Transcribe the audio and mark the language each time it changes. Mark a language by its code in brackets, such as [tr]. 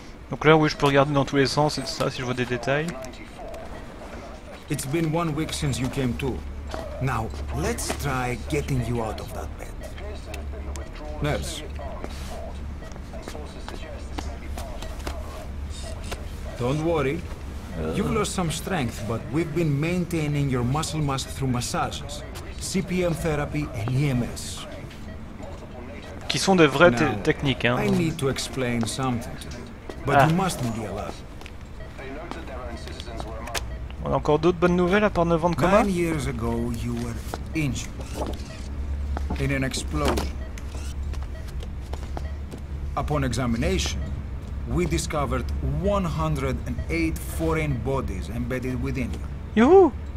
[fr] Donc là, oui, je peux regarder dans tous les sens et tout ça si je vois des détails. [en] It's been 1 week since you came to. Now, let's try getting you out of that bed. Nurse. Don't worry. You've lost some strength, but we've been maintaining your muscle mass through massages, CPM therapy and EMS. [fr] Qui sont de vraies techniques, hein. [en] I need to explain something to you, but you mustn't be alone. [fr] On a encore d'autres bonnes nouvelles à part 9 ans de coma? [en] 9 years ago, you were injured in an explosion. Upon examination, we discovered 108 foreign bodies embedded within you. Yoo-hoo!